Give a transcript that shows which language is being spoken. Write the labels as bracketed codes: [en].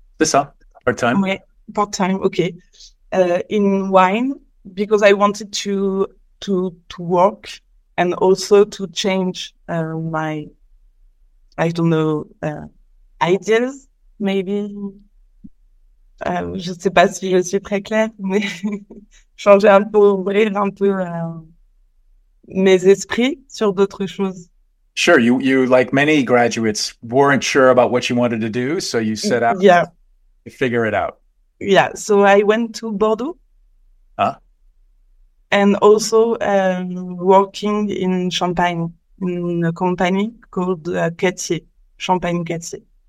[fr] C'est ça, part-time. [en] Okay. Part-time, okay. In wine, because I wanted to work and also to change my, I don't know, ideas, maybe. [fr] Je sais pas si je suis très claire, mais changer un peu, ouvrir un peu mes esprits sur d'autres choses. [en] Sure, you like many graduates, weren't sure about what you wanted to do, so you set out to figure it out. Yeah, so I went to Bordeaux. Huh? And also working in Champagne, in a company called Quetier, Champagne Quetier.